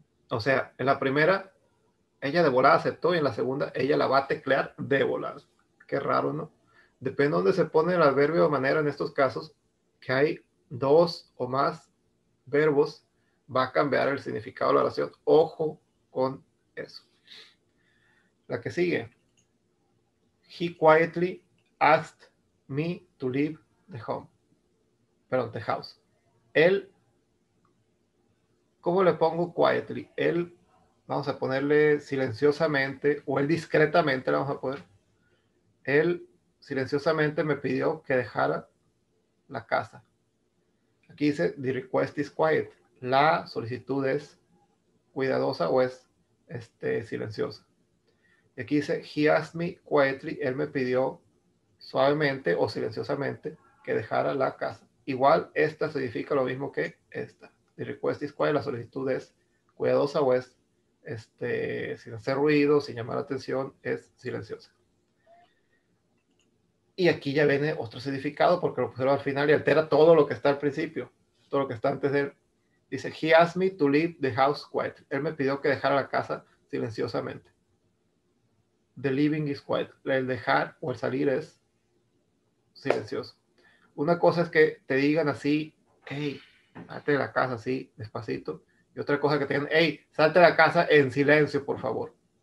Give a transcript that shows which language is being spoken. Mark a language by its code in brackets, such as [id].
[es] O sea, en la primera, ella de volada aceptó y en la segunda, ella la va a teclear de volada. Qué raro, ¿no? Depende de dónde se pone el adverbio de manera en estos casos, que hay dos o más verbos, va a cambiar el significado de la oración. Ojo con eso. La que sigue. [en] He quietly asked me to leave the home. [es] Perdón, [en] the house. [es] Él, ¿cómo le pongo quietly? Él, vamos a ponerle silenciosamente o él discretamente, le vamos a poner. Él silenciosamente me pidió que dejara la casa. Aquí dice, [en] the request is quiet. [es] La solicitud es cuidadosa o es silenciosa. Y aquí dice, [en] he asked me quietly. [es] Él me pidió suavemente o silenciosamente que dejara la casa. Igual, esta significa lo mismo que esta. [en] The request is quiet. [es] La solicitud es cuidadosa o es sin hacer ruido, sin llamar la atención, es silenciosa. Y aquí ya viene otro significado porque lo pusieron al final y altera todo lo que está al principio, todo lo que está antes de él. Dice, [en] he asked me to leave the house quiet. [es] Él me pidió que dejara la casa silenciosamente. [en] The leaving is quiet. [es] El dejar o el salir es silencioso. Una cosa es que te digan así, hey, salte de la casa así, despacito. Y otra cosa es que te digan, hey, salte de la casa en silencio, por favor.